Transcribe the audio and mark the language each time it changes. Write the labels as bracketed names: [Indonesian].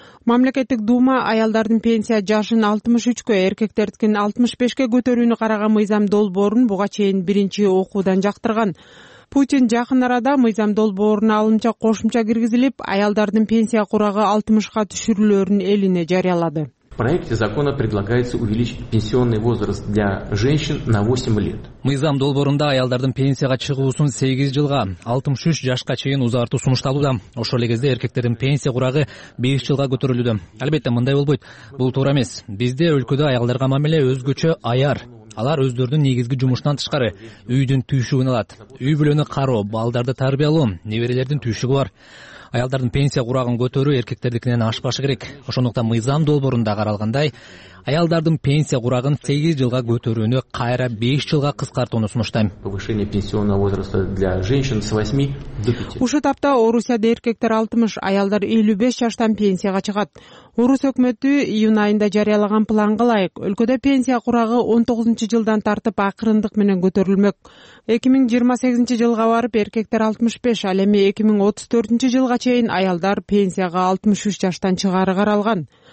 [Kyrgyz] Мамлекеттик дума аялдардын пенсия жашын 63 эркектердикин 65 көтөрүүнү караган мыйзам долбоорун буга чейин биринчи окуудан жактырган. Путин жакын арада мыйзам долбооруна алымча кошумча киргизилип, аялдардын пенсия курагы 60 түшүрүлөрүн элине жарыялады. [Russian] В проекте закона предлагается увеличить пенсионный возраст для женщин на 8 лет. [Kyrgyz] Мыйзам долбоорунда аялдардын пенсияга чыгуусун 8 жылга, 63 жашка чейин узартуу сунушталууда. Ошол эле кезде эркектердин пенсия курагы 5 жылга көтөрүлүүдө. Албетте, мындай болбойт. Бул туура эмес. Бизде өлкөдө аялдарга мамиле өзгөчө аяр. Алар өздөрүнүн негизги жумушунан тышкары үйдүн түйшүгүн алат. Үй бүлөнү кароо, балдарды тарбиялоо, неберелердин түйшүгү бар. Аялдардын пенсия курагын көтөрүү эркектердикинен ашпашы керек. Ошондуктан мыйзам долбоорунда каралгандай, аялдардын пенсия курагын 8 жылга көтөрүүнү кайра 5 жылга кыскартууну сунуштайм. [Russian] Повышение пенсионного возраста для женщин с 8 до 5. [Kyrgyz] Ушул тапта Орусияда эркектер 60, аялдар 55 жаштан пенсияга чыгат. Орус өкмөтү июн айында жарыялаган планга ылайык, өлкөдө пенсия курагы 19 жылдан тартып акырындык менен көтөрүлмөк. 2028 жылга барып эркектер 65, ал эми 2034 жылга чейин аялдар пенсияга 63 жаштан чыгары каралган.